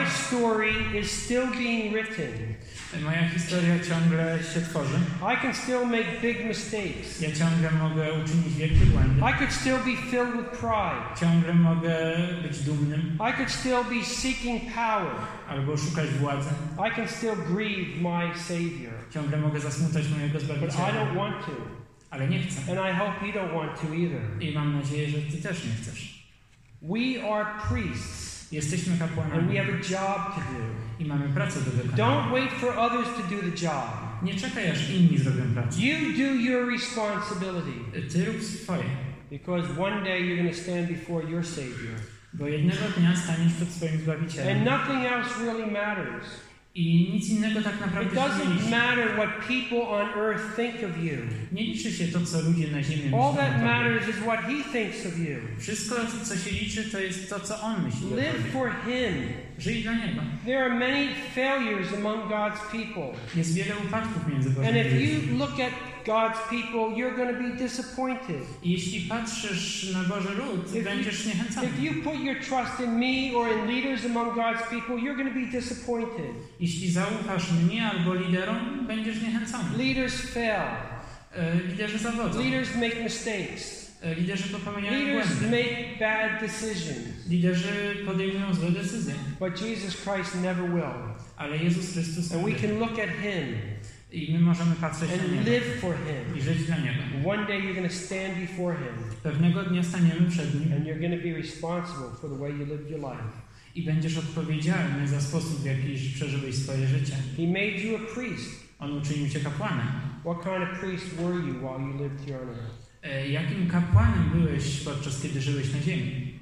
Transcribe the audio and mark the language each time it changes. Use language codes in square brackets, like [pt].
[en] My story is still being written. [pl] Moja historia ciągle się tworzy. [en] I can still make big mistakes. [pl] Ja ciągle mogę uczynić wielkie błędy. [en] I could still be filled with pride. [pl] Ciągle mogę być dumnym. [en] I could still be seeking power. [pl] Albo szukać władzy. [en] I can still grieve my Savior. [pl] Ciągle mogę zasmucać mojego Zbawiciela. [en] But I don't want to. [pl] Ale nie chcę. [en] And I hope you don't want to either. [pl] I mam nadzieję, że ty też nie chcesz. [en] We are priests. [pl] Jesteśmy kapłanami. [en] And we have a job to do. [pl] I mamy pracę do wykonania. [en] Don't wait for others to do the job. [pl] Nie czekaj, aż inni zrobią pracę. [en] You do your responsibility. [pl] Ty rób swoje. [en] Because one day you're going to stand before your Savior. [pl] Bo jednego dnia staniesz przed swoim Zbawicielem. [en] And nothing else really matters. [pl] I nic innego tak naprawdę nie liczy. [en] It doesn't matter what people on earth think of you. [pl] Nie liczy się to, co ludzie na ziemi myślą. [en] All that matters is what he thinks of you. [pl] Wszystko, co się liczy, to jest to, co on myśli. [en] Live for him. [pl] Żyj dla niego. [en] There are many failures among God's people. [pl] Jest wiele upadków między Bożymi. [en] And if you look at God's people, you're going to be disappointed. [pl] Jeśli patrzysz na Boży lud, będziesz zniechęcony. [en] If you put your trust in me or in leaders among God's people, you're going to be disappointed. [pl] Jeśli zaufasz mnie albo liderom, będziesz zniechęcony. [en] Leaders fail. [pl] Liderzy zawodzą. [en] Leaders make mistakes. [pl] Liderzy popełniają [en] leaders [pl] błędy. [en] Make bad decisions. [pl] Liderzy podejmują złe decyzje. [en] But Jesus Christ never will. [pl] Ale Jezus Chrystus [en] and we can look at him. [pl] I my możemy patrzeć [en] and [pl] na niego. [en] Live for him. [pl] I żyć dla niego. [en] One day you're going to stand before him. [pl] Pewnego dnia staniemy przed nim. [en] And you're going to be responsible for the way you lived your life. [pl] I będziesz odpowiedzialny za sposób, w jaki przeżyłeś swoje życie. [en] He made you a priest. [pl] On uczynił cię kapłanem. [en] What kind of priest were you while you lived here on earth? [pl] Jakim kapłanem byłeś podczas kiedy żyłeś na ziemi?